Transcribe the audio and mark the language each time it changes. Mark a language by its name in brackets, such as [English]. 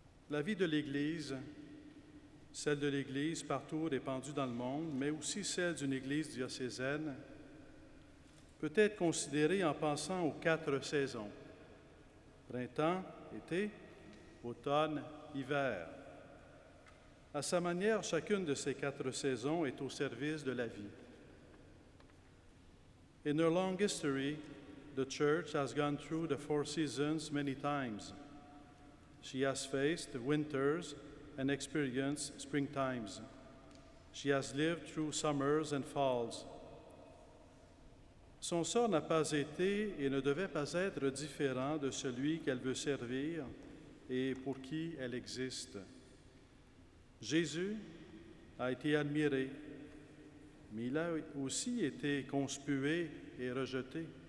[French] La vie de l'Église, celle de l'Église partout répandue dans le monde, mais aussi celle d'une Église diocésaine, peut être considéré en pensant aux quatre saisons : printemps, été, automne, hiver. À sa manière, chacune de ces quatre saisons est au service de la vie. [English] In her long history, the church has gone through the four seasons many times. She has faced winters and experienced spring times. She has lived through summers and falls. [French] Son sort n'a pas été et ne devait pas être différent de celui qu'elle veut servir et pour qui elle existe. Jésus a été admiré, mais il a aussi été conspué et rejeté.